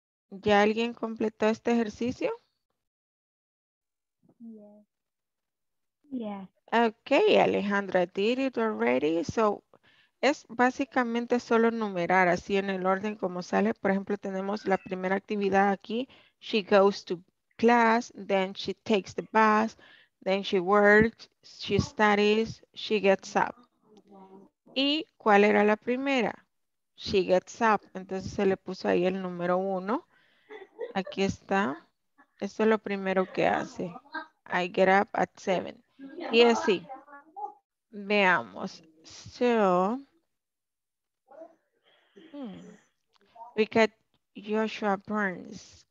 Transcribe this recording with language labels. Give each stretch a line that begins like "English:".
Spanish: ¿Ya alguien completó este ejercicio?
English: Yes. Yeah. Okay, Alejandra did it already.
Spanish: So es básicamente solo numerar así en el orden como sale. Por ejemplo, tenemos la primera actividad aquí.
English: She goes to class, then she takes the bus, then she works, she studies, she gets up.
Spanish: ¿Y cuál era la primera?
English: She gets up.
Spanish: Entonces se le puso ahí el número uno. Aquí está. Esto es lo primero que hace.
English: I get up at 7.
Spanish: Y así. Veamos.
English: So, we got Joshua Burns.